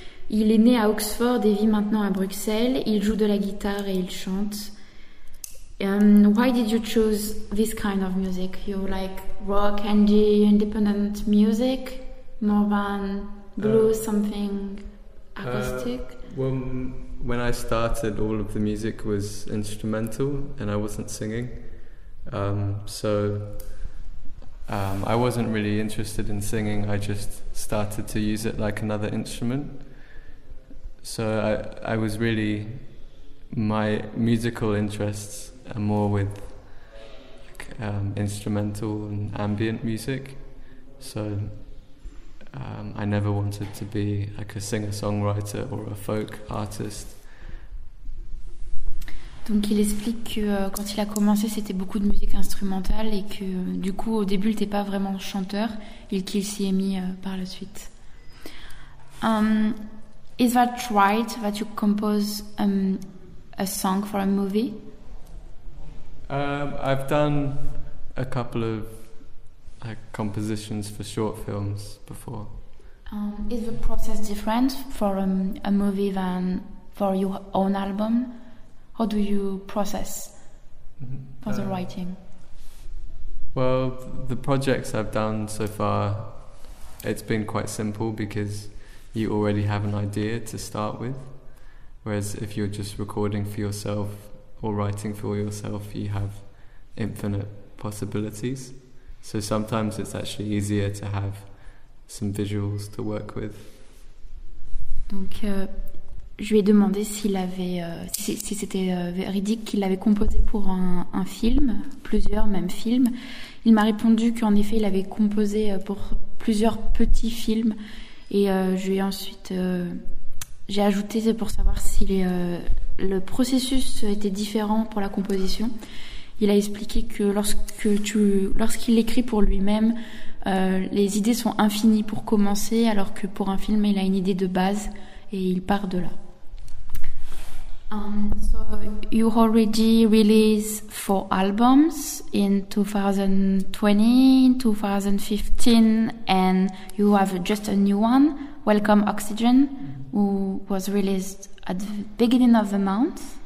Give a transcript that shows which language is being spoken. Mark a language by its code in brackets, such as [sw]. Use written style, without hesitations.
[fr] Il est né à Oxford et vit maintenant à Bruxelles. Il joue de la guitare et il chante. [en] Why did you choose this kind of music? You like rock, indie, independent music, more than blues, something acoustic? When I started, all of the music was instrumental and I wasn't singing. I wasn't really interested in singing. I just started to use it like another instrument. So I was really, my musical interests and more with instrumental and ambient music. So I never wanted to be like a singer-songwriter or a folk artist. [fr] Donc il explique que quand il a commencé, c'était beaucoup de musique instrumentale et que du coup, au début, il n'était pas vraiment chanteur et qu'il s'y est mis par la suite. [en] Is that right that you compose a song for a movie? I've done a couple of compositions for short films before. Is the process different for a movie than for your own album? How do you process for the writing? Well, the projects I've done so far, it's been quite simple because you already have an idea to start with. Whereas if you're just recording for yourself or writing for yourself, you have infinite possibilities. So sometimes it's actually easier to have some visuals to work with. [fr] Donc, je lui ai demandé s'il avait, si c'était véridique qu'il avait composé pour un film, plusieurs même films. Il m'a répondu qu'en effet, il avait composé pour plusieurs petits films. Et je lui ai ensuite, j'ai ajouté pour savoir si le processus était différent pour la composition. Il a expliqué que lorsqu'il écrit pour lui-même, les idées sont infinies pour commencer, alors que pour un film, il a une idée de base et il part de là. [en] So you already released 4 albums in 2020, 2015, and you have just a new one, Welcome Oxygen, who was released at the beginning of the month.